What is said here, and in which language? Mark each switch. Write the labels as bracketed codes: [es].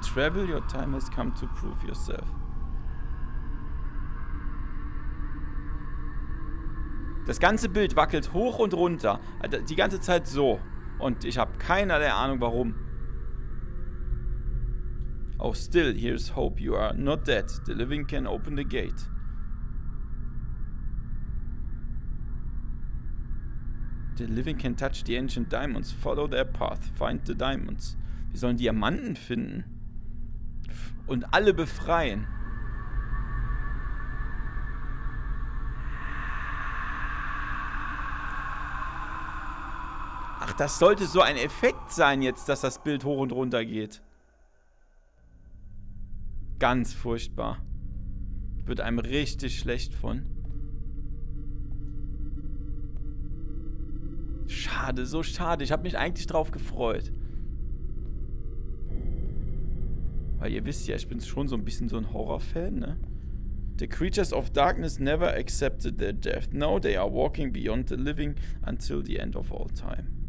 [en] Travel, your time has come to prove yourself. [de] Das ganze Bild wackelt hoch und runter. Die ganze Zeit so. Und ich habe keinerlei Ahnung, warum. [en] Oh, still, here's hope. You are not dead. The living can open the gate. The living can touch the ancient diamonds. Follow their path. Find the diamonds. [de] Wir sollen Diamanten finden. Und alle befreien. Ach, das sollte so ein Effekt sein jetzt, dass das Bild hoch und runter geht. Ganz furchtbar. Wird einem richtig schlecht von. Schade, so schade. Ich habe mich eigentlich drauf gefreut. Weil ihr wisst ja, ich bin schon so ein bisschen so ein Horrorfan, ne? [en] The creatures of darkness never accepted their death. No, they are walking beyond the living until the end of all time.